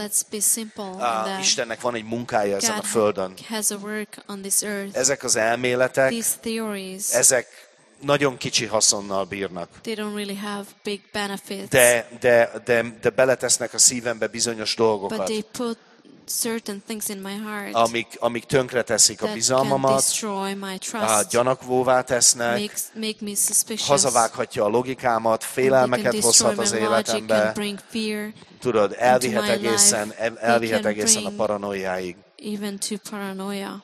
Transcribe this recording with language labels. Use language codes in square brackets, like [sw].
[en] Let's be simple. [hu] Istennek van egy munkája ezen [en] God [hu] a földön. [en] Has a work on this earth. [hu] Ezek az elméletek, [en] these theories, [hu] ezek nagyon kicsi haszonnal bírnak. [en] They don't really have big benefits. [hu] De beletesznek a szívembe bizonyos dolgokat. [en] But they put certain things in my heart, [hu] amik tönkre teszik a bizalmamat, [en] destroy my trust, [hu] gyanakvóvá tesznek, [en] make me suspicious, [hu] hazavághatja a logikámat, félelmeket hozhat az életembe, tudod, elvihet egészen a paranoiáig. [en] Even to paranoia.